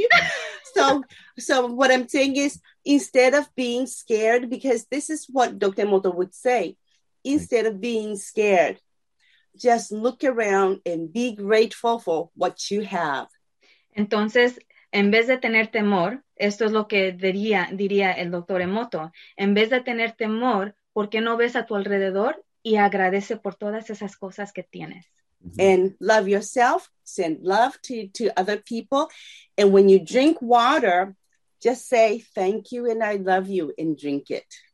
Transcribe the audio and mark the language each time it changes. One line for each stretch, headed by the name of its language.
English: I was just so taken by what you were saying that I was like, it happens often. So what I'm saying is, instead of being scared, because this is what Dr. Moto would say, instead of being scared, just look around and be grateful for what you have.
Spanish: Entonces, en vez de tener temor, esto es lo que diría el Dr. Emoto, en vez de tener temor, ¿por qué no ves a tu alrededor y agradece por todas esas cosas que tienes? Mm-hmm.
English: And love yourself, send love to other people, and when you drink water, just say thank you and I love you and drink it.